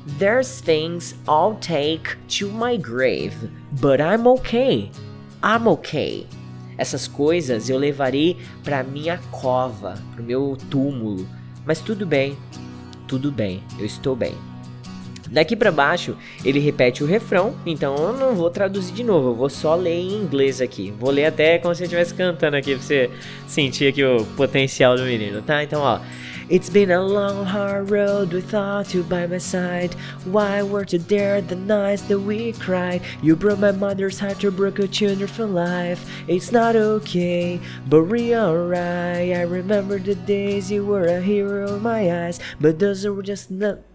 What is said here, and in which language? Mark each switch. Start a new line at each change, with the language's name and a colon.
English: There's things I'll take to my grave, but I'm okay. I'm okay.
Portuguese: Essas coisas eu levarei pra minha cova, pro meu túmulo. Mas tudo bem. Tudo bem. Eu estou bem. Daqui pra baixo, ele repete o refrão, então eu não vou traduzir de novo, eu vou só ler em inglês aqui. Vou ler até como se eu estivesse cantando aqui, pra você sentir aqui o potencial do menino, tá? Então, ó.
English: It's been a long, hard road without you by my side. Why weren't you there the nights that we cried? You broke my mother's heart, you broke a children for life. It's not okay, but we alright. I remember the days you were a hero in my eyes. But those were just not...